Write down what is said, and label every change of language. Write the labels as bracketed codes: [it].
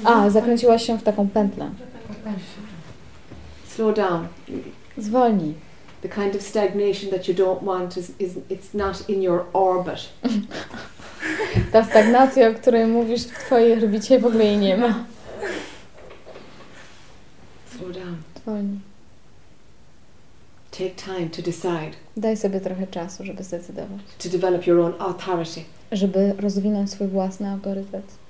[pl] Zakręciłaś się w taką pętlę. [en] Slow down. [pl] Zwolnij. [en] The kind of stagnation that you don't want is it's not in your orbit. [pl] Ta stagnacja, o której mówisz, w twojej orbicie w ogóle jej nie ma. [en] Slow down. [pl] Zwolnij. [en] Take time to decide. [pl] Daj sobie trochę czasu, żeby zdecydować. [en] To develop your own authority. [pl] Żeby rozwinąć swój własny autorytet.